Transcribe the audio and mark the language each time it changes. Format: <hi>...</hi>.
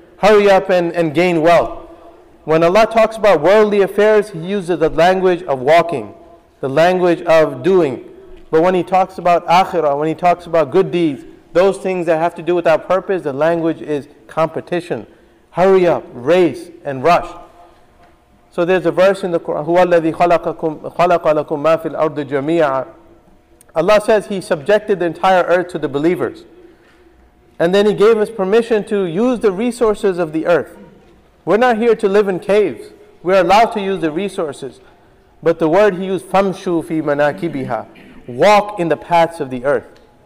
<en>Hurry up and gain wealth. When Allah talks about worldly affairs, He uses the language of walking, the language of doing. But when He talks about akhirah, when He talks about good deeds, those things that have to do with our purpose, the language is competition. Hurry up, race, and rush. So there's a verse in the Quran,</en> <ar>هُوَ الَّذِي خَلَقَ لَكُمْ مَا فِي الْأَرْضِ جَمِيعًا.</ar> <en>Allah says He subjected the entire earth to the believers. And then He gave us permission to use the resources of the earth. We're not here to live in caves. We are allowed to use the resources. But the word He used,</en> <ar>فَمْشُوا فِي مَنَاكِبِهَا.</ar> <en>Walk in the paths of the earth.</en>